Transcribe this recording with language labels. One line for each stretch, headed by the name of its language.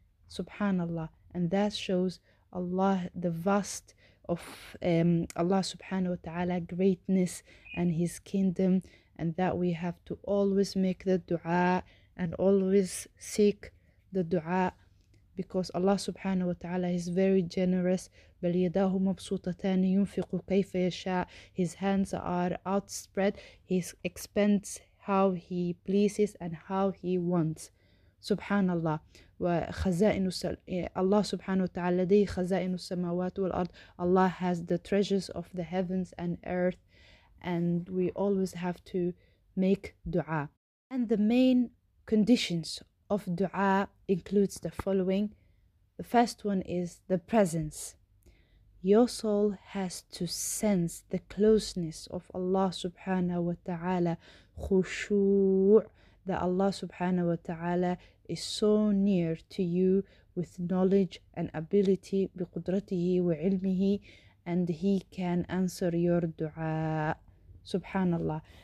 English: Subhanallah. And that shows Allah, the vast of Allah subhanahu wa ta'ala greatness and his kingdom, and that we have to always make the dua and always seek the dua, because Allah subhanahu wa ta'ala is very generous.
Arabic: بَلْ يَدَاهُ مَبْسُوطَتَانِ يُنْفِقُ كَيْفَ يَشَاءُ.
English: His hands are outspread. He expands how he pleases and how he wants.
Arabic: سبحان الله وخزائن الله سبحانه وتعالى لديه خزائن السماوات والأرض.
English: Allah has the treasures of the heavens and earth, and we always have to make dua. And the main conditions of dua includes the following. The first one is the presence. Your soul has to sense the closeness of Allah subhanahu wa ta'ala, khushu', that Allah subhanahu wa ta'ala is so near to you with knowledge and ability,
Arabic: biqudratihi wa ilmihi,
English: and he can answer your dua. Subhanallah.